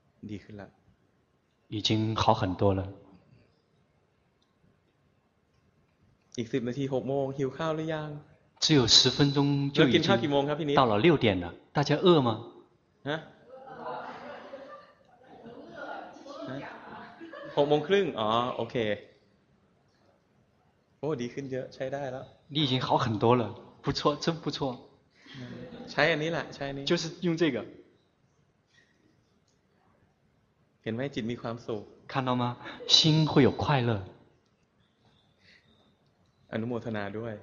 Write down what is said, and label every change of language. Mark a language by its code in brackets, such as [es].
[th] ดีขึ้นแล้ว [zh] 已经好很多了 [th] อีก10นาที6โมงหิวข้าวหรือยัง [zh] 只有十分钟就已经到了六点了，大家饿吗？ [th] 6โมงครึ่งอ๋อโอเคโอ้ดีขึ้นเยอะใช้ได้แล้ว [zh] 你已经好很多了不错真不错 [th] ใช้อันนี้แหละใช้อันนี้ [zh] 就是用这个 [th] เห็นไหมจิตมีความสุข [zh] 看到吗心会有快乐 [th] อนุโมทนาด้วย